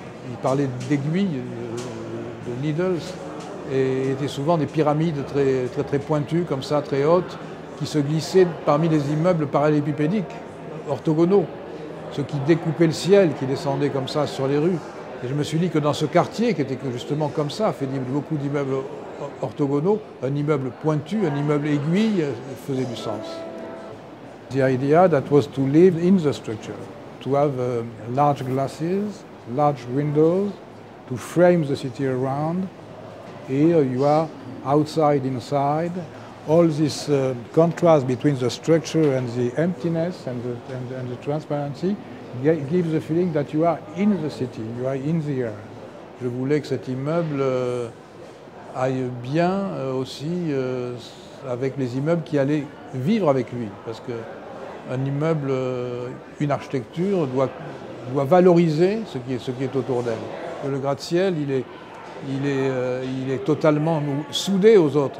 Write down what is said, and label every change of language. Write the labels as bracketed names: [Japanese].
[French] Il parlait d'aiguilles, de needles, et étaient souvent des pyramides très, très, très pointues, comme ça, très hautes, qui se glissaient parmi les immeubles parallélépipédiques, orthogonaux, ceux qui découpaient le ciel, qui descendaient comme ça sur les rues. Et je me suis dit que dans ce quartier, qui était justement comme ça, fait beaucoup d'immeubles orthogonaux, un immeuble pointu, un immeuble aiguille, faisait du sens. [English] The idea that was to live in the structure, to have large glasses, large windows, to frame the city around. Here you are outside, inside. All this contrast between the structure and the emptiness and the transparency gives the feeling that you are in the city, you are in the air. [French] Je voulais que cet immeuble aille bien aussi avec les immeubles qui allaient vivre avec lui. Parce qu'un immeuble, une architecture, doit valoriser ce qui est autour d'elle. Le gratte-ciel, il est totalement soudé aux autres.